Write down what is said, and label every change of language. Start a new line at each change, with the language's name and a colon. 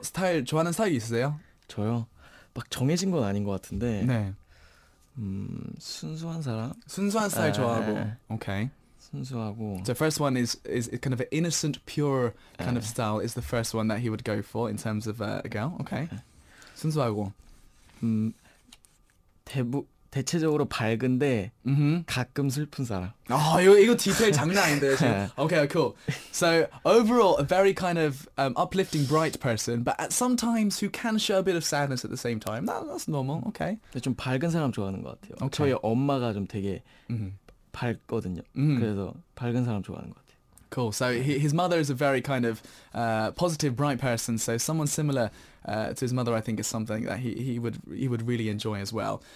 Korean: 스타일 좋아하는 스타일 있으세요? 저요. 막 정해진 건 아닌 것 같은데. 네. 순수한 사람. 순수한 스타일 좋아하고.
English: 오케이.
Korean: 순수하고.
English: So first one is kind of an innocent, pure kind 에. of style is the first one that he would go for in terms of a girl. Okay.
Korean: 순수하고. 대체적으로 밝은데 가끔 슬픈 사람. 아 이거 디테일 장난 아닌데.
English: Okay, cool. So overall, a very kind of uplifting, bright person, but at sometimes who can show a bit of sadness at the same time. That's normal. Okay.
Korean: 근데 좀 밝은 사람 좋아하는 것 같아요.
English: Okay.
Korean: 저희 엄마가 좀 되게 밝거든요. 그래서 밝은 사람 좋아하는 것 같아요.
English: Cool. So his mother is a very kind of positive, bright person. So someone similar to his mother, I think, is something that he would really enjoy as well.